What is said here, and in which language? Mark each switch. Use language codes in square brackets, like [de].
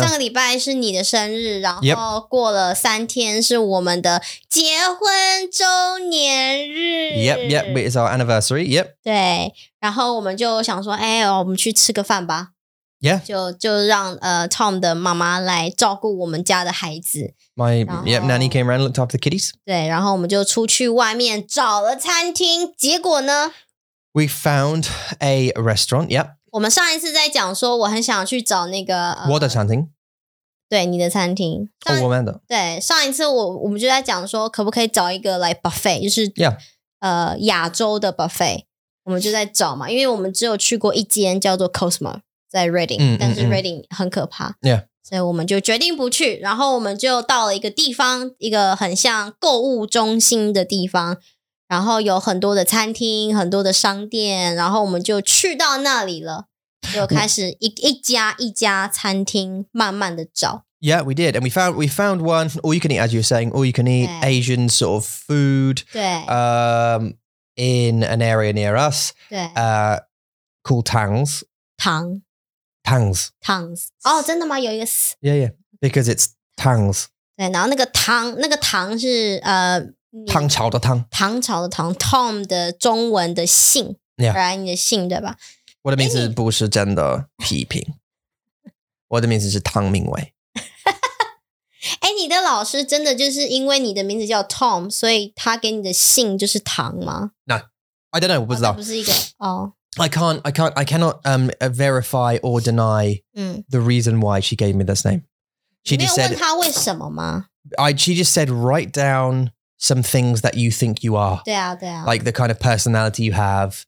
[zh] 上个礼拜是你的生日, 然后过了三天是我们的结婚周年日。 [en] Yep, yep, it is our anniversary, yep. [zh] 对, 然后我们就想说, 哎, 我们去吃个饭吧。 [en] Yeah. [zh] 就让 Tom的妈妈来照顾我们家的孩子。 [en] My, yep, nanny came around and looked after the kiddies. [zh] 对, 然后我们就出去外面找了餐厅, 结果呢? [en] We found a restaurant, yep. [zh] 我们上一次在讲说我很想去找那个我的餐厅对,你的餐厅哦,我们的对,上一次我们就在讲说可不可以找一个 [en] like buffet [zh] 就是 [en] yeah. [zh] 亚洲的buffet 我们就在找嘛 因为我们只有去过一间叫做 Cosmo 在 Reading 但是 Reading 很可怕 [en] yeah. [zh] 所以我们就决定不去 然后我们就到了一个地方 一个很像购物中心的地方 然后有很多的餐厅, 很多的商店, 然后我们就去到那里了, 就开始一家一家餐厅慢慢的找。 [en] Yeah, we did. And we found one, all you can eat, as you were saying, all you can eat Asian sort of food in an area near us called Tang's. Tang. Tang's. Tang's. Oh, [zh] 真的吗?有一个s. [en] Yeah, yeah. Because it's Tang's. [zh] 对,然后那个汤是... 唐朝的唐 Tom的中文的姓 [en] yeah. Right [zh] 你的姓对吧我的名字不是真的批评 我的名字是汤明威你的老师真的就是因为你的名字叫Tom 所以他给你的姓就是唐吗 [en] No I don't know [zh] 我不知道不是一个, [en] I cannot verify or deny the reason why she gave me this name [zh] she 没有问他为什么吗 [en] She just said write down some things that you think you are. [zh] 对啊。 [en] Like the kind of personality you have